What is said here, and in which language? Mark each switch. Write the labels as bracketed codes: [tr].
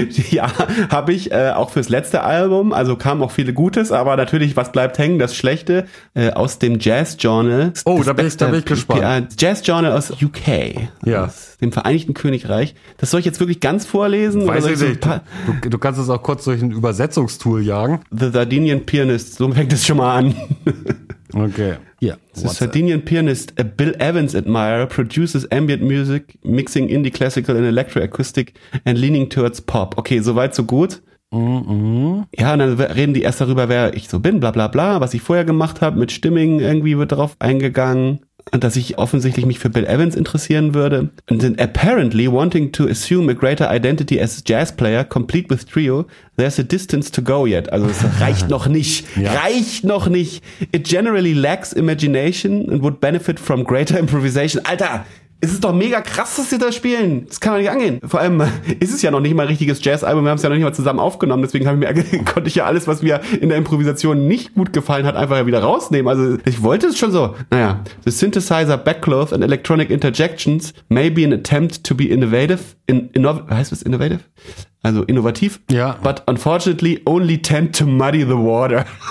[de] Ja, habe ich auch fürs letzte Album, also kam auch viele Gutes, aber natürlich, was bleibt hängen, das Schlechte aus dem Jazz Journal. Oh, da bin ich gespannt. Jazz Journal aus UK, ja. aus dem Vereinigten Königreich. Das soll ich jetzt wirklich ganz vorlesen? Weiß ich nicht. Du kannst es auch kurz durch ein Übersetzungstool jagen. [en] The Sardinian Pianist, [de] so fängt es schon mal an. Okay. [en] Yeah. The Sardinian Pianist, a Bill Evans admirer, produces ambient music, mixing indie classical and electroacoustic and leaning towards pop. [de] Okay, soweit, so gut. Mm-hmm. Ja, und dann reden die erst darüber, wer ich so bin, bla bla bla, was ich vorher gemacht habe, mit Stimming irgendwie wird darauf eingegangen. Und dass ich offensichtlich mich für Bill Evans interessieren würde. [en] And then apparently wanting to assume a greater identity as a jazz player, complete with trio, there's a distance to go yet. [de] Also es reicht noch nicht. Ja. Reicht noch nicht. [en] It generally lacks imagination and would benefit from greater improvisation. [de] Alter, Es ist doch mega krass, dass sie da spielen. Das kann man nicht angehen. Vor allem ist es ja noch nicht mal ein richtiges Jazz-Album. Wir haben es ja noch nicht mal zusammen aufgenommen. Deswegen konnte ich ja alles, was mir in der Improvisation nicht gut gefallen hat, einfach wieder rausnehmen. Also ich wollte es schon so. Naja, [en] the synthesizer backcloth and electronic interjections may be an attempt to be innovative. [de] Heißt das innovative? Also innovativ. Ja. [en] But unfortunately only tend to muddy the water.